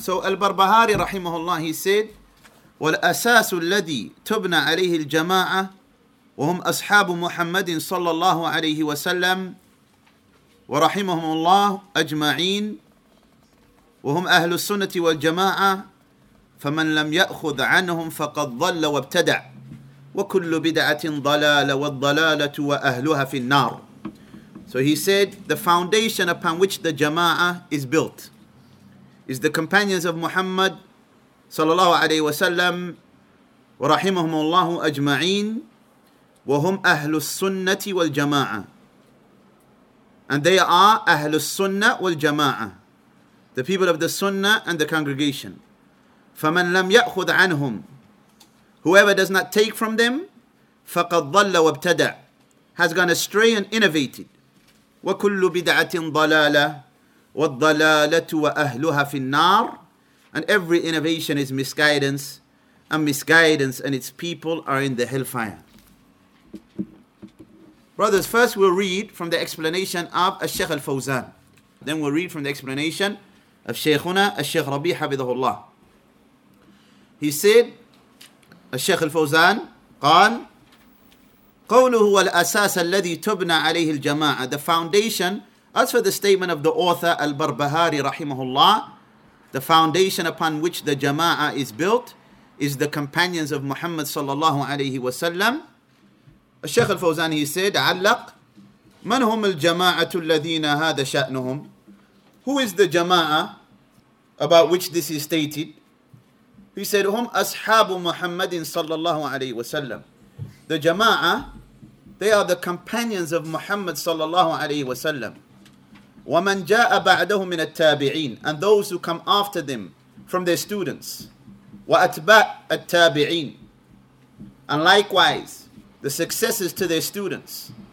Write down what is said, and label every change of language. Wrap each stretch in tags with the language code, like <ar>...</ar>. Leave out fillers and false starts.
<en>So Al-Barbahari rahimahullah, he said,</en> <ar>وَالْأَسَاسُ الَّذِي تُبْنَى عَلَيْهِ الْجَمَاعَةِ وَهُمْ أَصْحَابُ مُحَمَّدٍ صَلَّى اللَّهُ عَلَيْهِ وَسَلَّمْ وَرَحِمَهُمُ اللَّهُ أَجْمَعِينَ وَهُمْ أَهْلُ السُّنَّةِ وَالْجَمَاعَةِ فَمَنْ لَمْ يَأْخُذْ عَنْهُمْ فَقَدْ ظَلَّ وَابْتَدَعَ وكل بدعة ضلالة والضلالة وأهلها في النار.</ar> <en>So he said, the foundation upon which the jama'ah is built is the companions of Muhammad صلى الله عليه وسلم</en> <ar>ورحمهم الله أجمعين وهم أهل السنة والجماعة.</ar> <en>And they are</en> <ar>أهل السنة والجماعة,</ar> <en>the people of the Sunnah and the congregation.</en> <ar>فمن لم يأخذ عنهم,</ar> <en>whoever does not take from them,</en> <ar>فَقَدْ ضَلَّ وَابْتَدَعْ,</ar> <en>has gone astray and innovated.</en> <ar>وَكُلُّ بِدْعَةٍ ضَلَالَةٌ وَالضَّلَالَةُ وَأَهْلُهَا فِي النَّارِ.</ar> <en>And every innovation is misguidance, and misguidance and its people are in the hellfire. Brothers, first we'll read from the explanation of الشيخ الفوزان. Then we'll read from the explanation of</en> <ar>شيخنا الشيخ ربيع حفظه الله.</ar> <en>He said,</en> <ar>الشيخ الفوزان قال قوله والأساس الذي تبنى عليه الجماعة.</ar> <en>The foundation, as for the statement of the author Al-Barbahari رحمه الله, the foundation upon which the jama'ah is built is the companions of Muhammad صلى الله عليه وسلم.</en> <ar>الشيخ الفوزان,</ar> <en>he said,</en> <ar>علق من هم الجماعة الذين هذا شأنهم.</ar> <en>Who is the jama'ah about which this is stated? He said,</en> <ar>هم أصحاب محمد صلى الله عليه وسلم.</ar> <en>The jama'ah, they are the companions of Muhammad صلى الله عليه وسلم.</en> <ar>ومن جاء بعدهم من التابعين,</ar> <en>and those who come after them from their students.</en> <ar>وأتباع التابعين,</ar> <en>and likewise the successors to their students.</en>